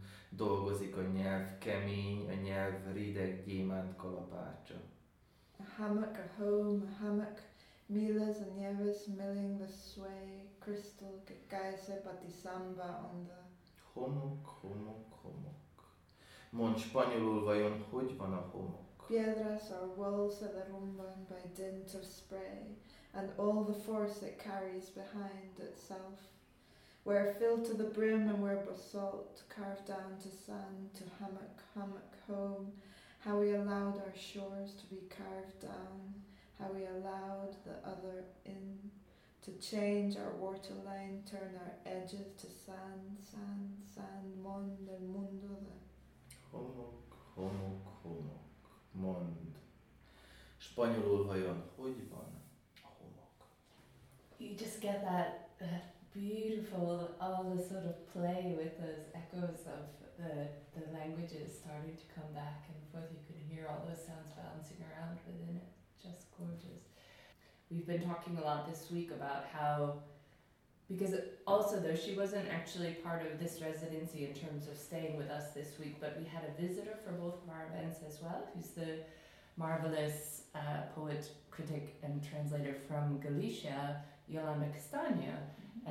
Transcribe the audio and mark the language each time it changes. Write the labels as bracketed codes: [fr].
[hu] Dolgozik a nyelv kemény, a nyelv rideg gyémánt kalapácsa. [en] A hammock, a home, a hammock. Milas and nieves milling the sway, crystal, geyser, patisamba on the... [hu] Homok, homok, homok. Mond spanyolul, vajon hogy van a homok? [en] Piedras are walls that are rumbling by dint of spray, and all the force it carries behind itself. Where filled to the brim and where basalt, carved down to sand, to hammock, hammock, home, how we allowed our shores to be carved down. How we allowed the other in to change our waterline, turn our edges to sand, sand, sand, mond, [es] el mundo de. [hu] Homok, homok, homok, mond. Spanyolul vajon, hogy van a homok? [en] You just get that beautiful, all the sort of play with those echoes of the languages starting to come back and forth. You can hear all those sounds bouncing around within it. Just gorgeous. We've been talking a lot this week about how, because also though she wasn't actually part of this residency in terms of staying with us this week, but we had a visitor for both of our events as well, who's the marvelous poet, critic, and translator from Galicia, Yolanda Castaña. Mm-hmm.